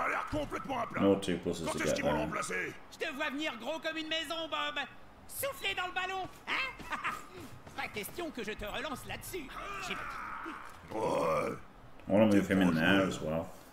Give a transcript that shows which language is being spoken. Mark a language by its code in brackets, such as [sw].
[fr] complètement à plat. [en] More 2 pluses to get there. [fr] Je te vois venir gros comme une maison, Bob. Soufflez dans le ballon, hein? Pas question que je te relance là-dessus. J'ai pas dit. [en] I want to move him in there as well.